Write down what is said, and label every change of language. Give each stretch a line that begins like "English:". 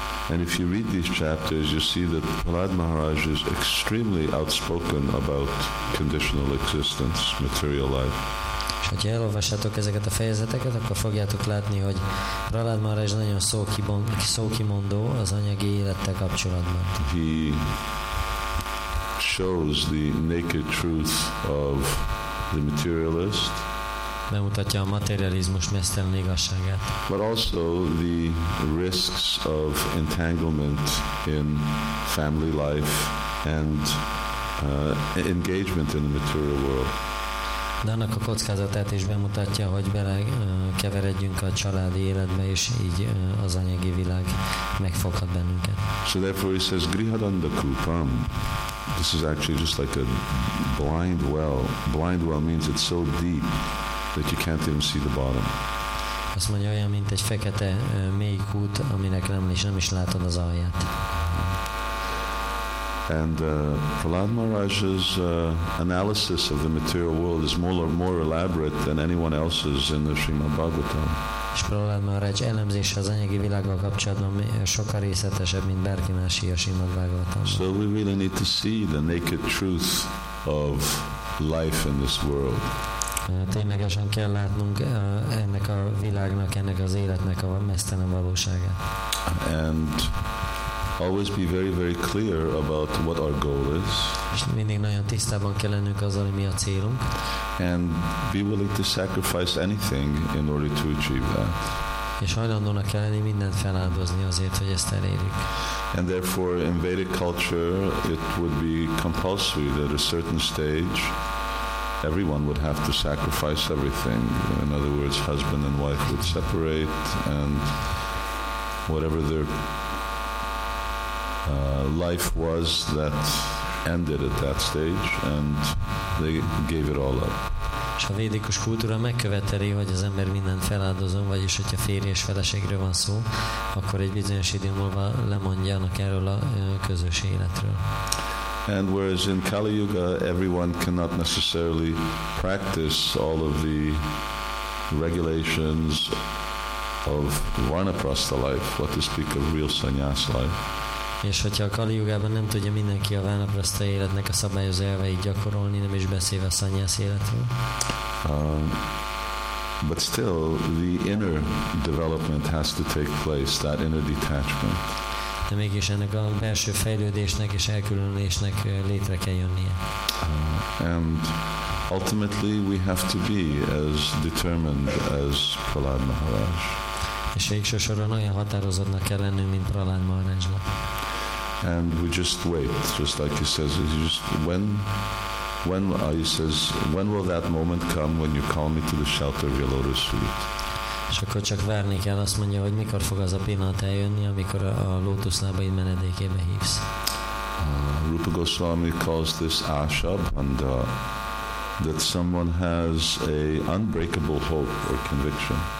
English: And if you read these chapters, you see that Prahlad Maharaj is extremely outspoken about conditional existence, material life.
Hungarian: Hogyha elolvassátok ezeket a fejezeteket, akkor fogjátok látni, hogy Prahlad Maharaj nagyon szókimondó az anyagi élettel kapcsolatban.
English: He shows the naked truth of the materialist.
Hungarian: Bemutatja a materializmus mesztelen igazságát.
English: But also the risks of entanglement in family life and engagement in the material world.
Hungarian: De annak a kockázatát is bemutatja, hogy belekeveredjünk a családi életbe, és így az anyagi világ megfoghat bennünket.
English: So therefore he says, Grihadanda Kupam. This is actually just like a blind well. Blind well means it's so deep that you can't even see the bottom.
Hungarian: Azt mondja, olyan, mint egy fekete, mély kút, aminek nem is látod az alját.
English: And Prahlad Maharaj's analysis of the material world is more elaborate than anyone else's in the Srimad Bhagavatam.
Hungarian: És Prahlad Maharaj elemzése az anyagi világgal kapcsolatban sokkal részletesebb, mint bárki másé a Srimad Bhagavatam.
English: So we really need to see the naked truth of life in this world.
Hungarian: Ténylegesen kell látnunk ennek a világnak, ennek az életnek a mesztelen valóságát.
English: And always be very, very clear about what our goal is.
Hungarian: És mindig nagyon tisztában kell lennünk azzal, mi a célunk.
English: And be willing to sacrifice anything in order to achieve that.
Hungarian: És hajlandónak kell lenni mindent feláldozni azért, hogy ezt elérjük.
English: And therefore, in Vedic culture, it would be compulsory that at a certain stage, everyone would have to sacrifice everything. In other words, husband and wife would separate, and whatever their life was that ended at that stage, and they gave it all up.
Hungarian: És a védikus kultúra megköveteli, hogy az ember mindent feláldozom, vagyis hogyha férj és feleségről van szó, akkor egy bizonyos idő múlva lemondjanak erről a közös életről.
English: And whereas in Kali Yuga, everyone cannot necessarily practice all of the regulations of Vanaprastha life, what to speak of real sannyasa life.
Hungarian: És hogyha a Kali Yugában nem tudja mindenki a Vanaprastha életnek a szabályozó elveit gyakorolni, nem is beszélve a szanyász életről.
English: But still, the inner development has to take place, that inner detachment.
Hungarian: De mégis ennek a belső fejlődésnek és elkülönülésnek létre kell jönnie.
English: And ultimately we have to be as determined as Prahlad Maharaj.
Hungarian: És végsősoron olyan határozottnak kell lennünk, mint Prahlad Maharajnak.
English: And we just wait, just like he says. He just when will that moment come when you call me to the shelter of your lotus feet?
Hungarian: És akkor csak várni kell, azt mondja, hogy mikor fog az a pillanat eljönni, amikor a lótuszlábaid menedékébe hívsz.
English: Rupa Goswami calls this asha bandha, that someone has a unbreakable hope or conviction.